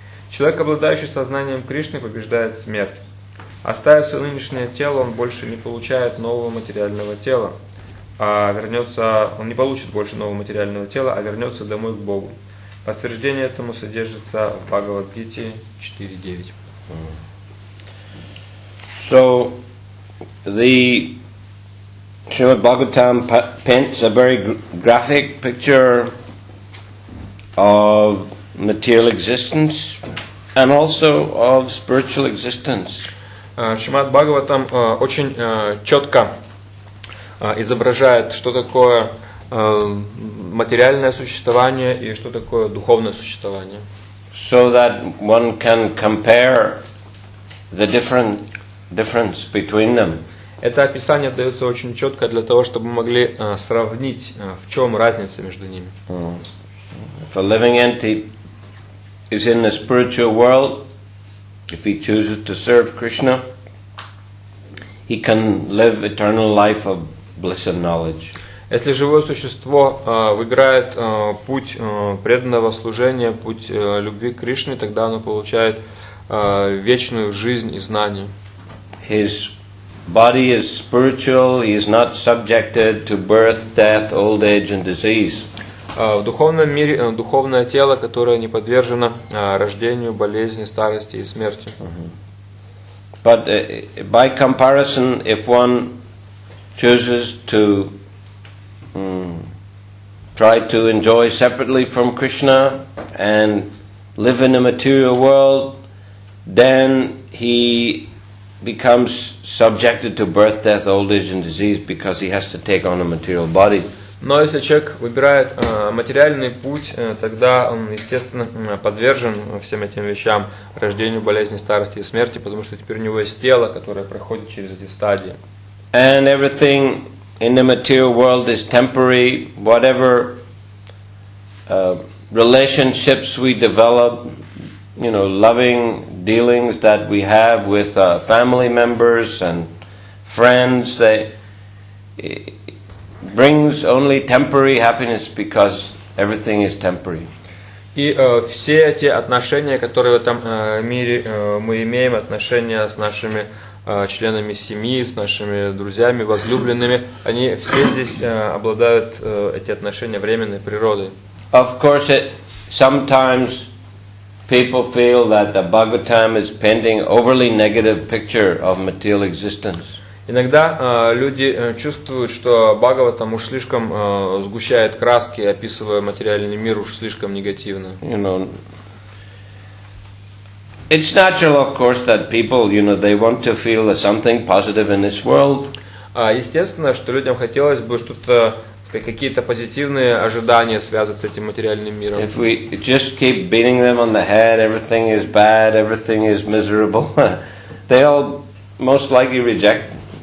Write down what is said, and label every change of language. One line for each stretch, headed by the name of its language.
Russian: Человек, обладающий сознанием Кришны, побеждает смерть. Оставив свое нынешнее тело, он больше не получает нового материального тела, а вернется домой к Богу. Подтверждение этому содержится в Бхагавад-гите 4.9.
English: So, the Srimad Bhagavatam paints a very graphic picture of material existence and also of spiritual existence.
Russian: Шримад Бхагаватам очень четко изображает, что такое материальное существование и что такое духовное существование.
English: So that one can compare the difference between them.
Russian: Это описание дается очень четко для того, чтобы мы могли сравнить, в чем разница между ними.
English: If a living entity is in the spiritual world, if he chooses to serve Krishna, he can live eternal life of bliss and knowledge.
Russian: Если живое существо выбирает путь преданного служения, путь любви к Кришне, тогда оно получает вечную жизнь и знание.
English: His body is spiritual, he is not subjected to birth, death, old age and disease.
Russian: В духовном мире духовное тело, которое не подвержено рождению, болезни, старости и смерти.
English: But by comparison, if one chooses to try to enjoy separately from Krishna and live in a material world, then he becomes subjected to birth, death, old age and disease because he has to take on a material body.
Russian: Но если человек выбирает материальный путь, тогда он, естественно, подвержен всем этим вещам, рождению, болезни, старости и смерти, потому что теперь у него есть тело, которое проходит через эти стадии.
English: And everything in the material world is temporary. Whatever relationships we develop, you know, loving dealings that we have with family members and friends, they brings only temporary happiness because everything is temporary.
Russian: И все эти отношения, которые в этом мире мы имеем, отношения с нашими членами семьи, с нашими друзьями, возлюбленными, они все здесь обладают эти отношения временной природой.
English: Of course, sometimes people feel that the Bhagavatam is painting overly negative picture of material existence.
Russian: Иногда люди чувствуют, что Бхагаватам уж слишком сгущает краски, описывая материальный мир уж слишком негативно.
English: You know, it's natural, of course, that people, you know, they want to feel something positive in this world.
Russian: Естественно, что людям хотелось бы что-то, какие-то позитивные ожидания связывать с этим материальным миром.
English: If we just keep beating them on the head, everything is bad, everything is miserable, they all most likely reject.